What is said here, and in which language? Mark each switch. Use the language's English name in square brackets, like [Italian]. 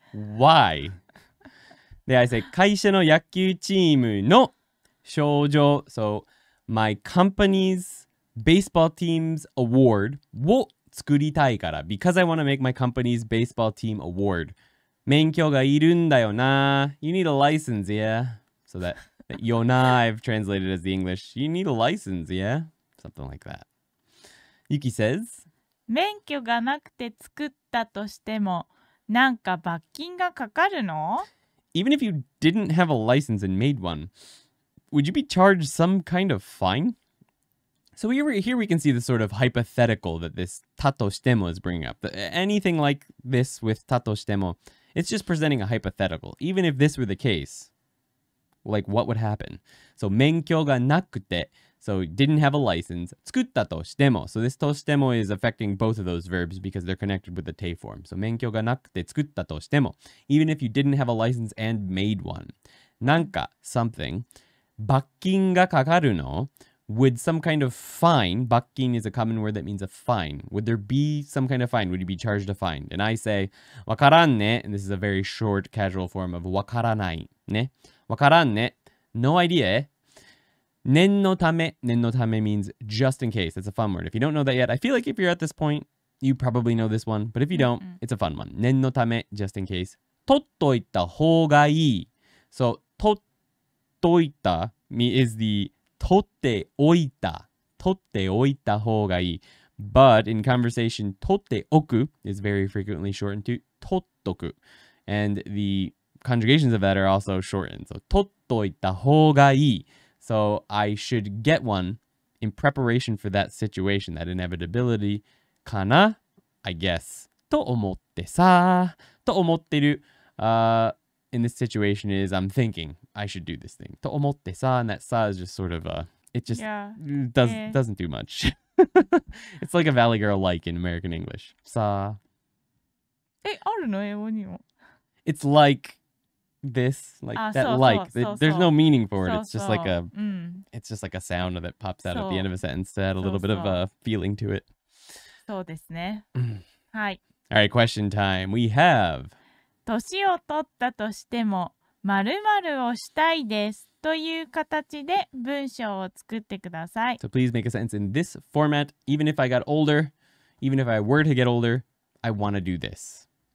[English] Why? で、I say, [Japanese] 会社の野球チームの賞状、 [English] so my company's baseball team's award [Japanese] を作りたいから、 [English] because I want to make my company's baseball team award. [Japanese] 免許がいるんだよな。 [English] You need a license, yeah? So that よな I've translated as the English. You need a license, yeah? Something like that. Yuki says, [Japanese] 免許がなくて作ったとしても、なんか罰金がかかるの? [English] Even if you didn't have a license and made one, would you be charged some kind of fine? So here we can see the sort of hypothetical that this たとしても is bringing up. Anything like this with たとしても, it's just presenting a hypothetical. Even if this were the case, like what would happen? So [Japanese] 免許がなくて, [English] So didn't have a license. [Japanese] 作ったとしても. [English] So this としても is affecting both of those verbs because they're connected with the te form. [Japanese] So 免許がなくて作ったとしても. [English] Even if you didn't have a license and made one. [Japanese] なんか [English] something. [Japanese] 罰金がかかるの? [English] Would some kind of fine, 罰金 is a common word that means a fine. Would there be some kind of fine? Would you be charged a fine? And I say, [Japanese] わからんね. [English] And this is a very short casual form of [Japanese] わからないね.わからんね. [English] No idea. [Japanese] 念のため [English] means just in case. It's a fun word. If you don't know that yet, I feel like if you're at this point, you probably know this one. But if you don't, it's a fun one. [Japanese] 念のため [English] just in case. [Japanese] 取っといた方がいい。 So, 取っといた is the 取っておいた。取っておいた方がいい。 [English] But in conversation, 取っておく is very frequently shortened to 取っとく. And the conjugations of that are also shortened. So, [Japanese] 取っといた方がいい。 [English] So, I should get one in preparation for that situation, that inevitability, [Japanese] かな? [English] I guess. [Japanese] と思ってさ、と思ってる。 [English] In this situation is, I'm thinking I should do this thing. [Japanese] と思ってさ、 [English] and that さ is just sort of, it just doesn't do much. It's like a Valley Girl like in American English. [Japanese] さ。え、あるの?英語にも。 [English] It's like... This, like, ah, that so, like. So, it, so, there's no meaning for it. So, it's just like a, it's just like a sound that pops out at the end of a sentence to add a little bit of a feeling to it. [Japanese] そうですね。はい。 [English] All right, question time. We have... [Japanese] 年を取ったとしても、〇〇をしたいですという形で文章を作ってください。 [English] So please make a sentence in this format. Even if I got older, even if I were to get older, I want to do this.